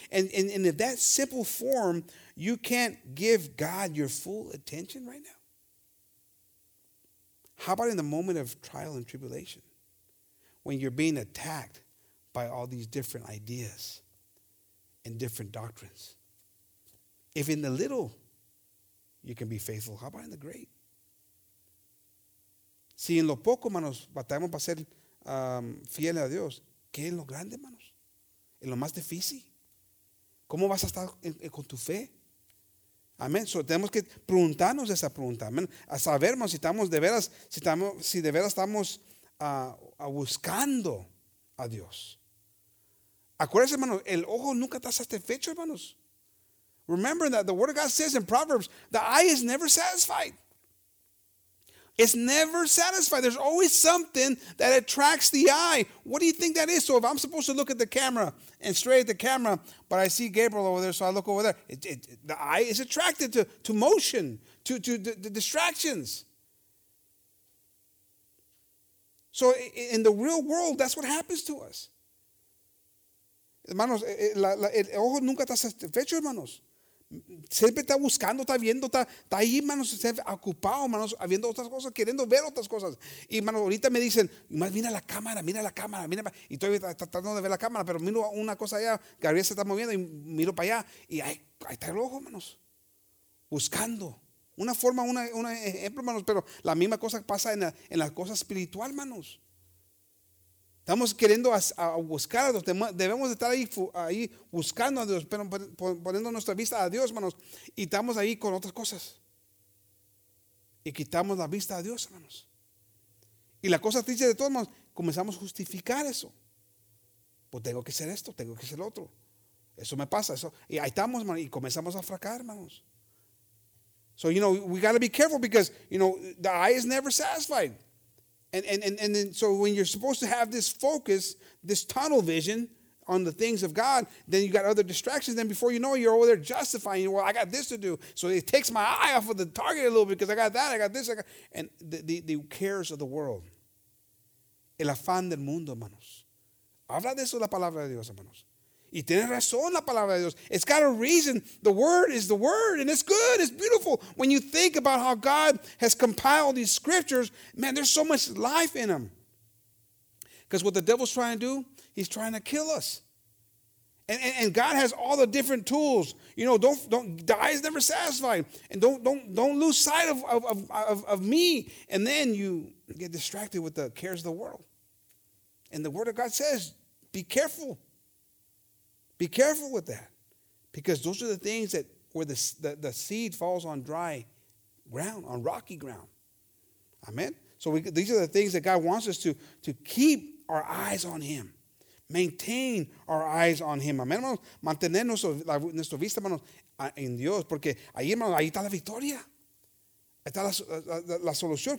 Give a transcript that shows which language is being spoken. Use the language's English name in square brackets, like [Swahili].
[English] And in that simple form, you can't give God your full attention right now. How about in the moment of trial and tribulation? When you're being attacked by all these different ideas and different doctrines. If in the little, you can be faithful. How about in the great? [Spanish] Si en lo poco, manos, batallamos para ser fieles a Dios, ¿qué en lo grande, manos? En lo más difícil. ¿Cómo vas a estar con tu fe? Amén. So, tenemos que preguntarnos esa pregunta. Amén. A saber, manos, si de veras estamos buscando a Dios. Acuérdense, hermanos, el ojo nunca está satisfecho, hermanos. [English] Remember that the word of God says in Proverbs, the eye is never satisfied. It's never satisfied. There's always something that attracts the eye. What do you think that is? So if I'm supposed to look at the camera and stray at the camera, but I see Gabriel over there, so I look over there, the eye is attracted to motion, to the distractions. So in the real world, that's what happens to us. [Spanish] Hermanos, el ojo nunca está satisfecho, hermanos. Siempre está buscando, está viendo, está ahí, hermanos, ocupado, hermanos, viendo otras cosas, queriendo ver otras cosas. Y, hermanos, ahorita me dicen, más mira la cámara. Y estoy tratando de ver la cámara, pero miro una cosa allá, Gabriel se está moviendo y miro para allá. Y ahí está el ojo, hermanos, buscando. Una forma, un ejemplo, hermanos, pero la misma cosa pasa en la cosa espiritual, hermanos. Estamos queriendo a buscar a Dios, debemos estar ahí buscando a Dios, pero poniendo nuestra vista a Dios, hermanos, y estamos ahí con otras cosas. Y quitamos la vista a Dios, hermanos. Y la cosa triste de todo, hermanos, comenzamos a justificar eso. Pues tengo que hacer esto, tengo que hacer lo otro. Eso me pasa, eso. Y ahí estamos, hermanos, y comenzamos a fracasar, hermanos. [English] So, you know, we got to be careful because, you know, the eye is never satisfied. And then, so when you're supposed to have this focus, this tunnel vision on the things of God, then you got other distractions. Then before you know it, you're over there justifying, well, I got this to do. So it takes my eye off of the target a little bit because I got that, I got this. And the cares of the world. [Spanish] El afán del mundo, hermanos. Habla de eso la palabra de Dios, hermanos. Y tiene razón la palabra de Dios. [English] It's got a reason. The word is the word, and it's good. It's beautiful. When you think about how God has compiled these scriptures, man, there's so much life in them. Because what the devil's trying to do, he's trying to kill us. And God has all the different tools. You know, don't the eye is never satisfied. And don't lose sight of me. And then you get distracted with the cares of the world. And the word of God says, be careful. Be careful with that, because those are the things that where the seed falls on dry ground, on rocky ground. Amen. So these are the things that God wants us to keep our eyes on Him, maintain our eyes on Him. Amen. [Spanish] Mantener nuestra vista, hermanos, en Dios, porque ahí, hermanos, ahí está la victoria, ahí está la solución.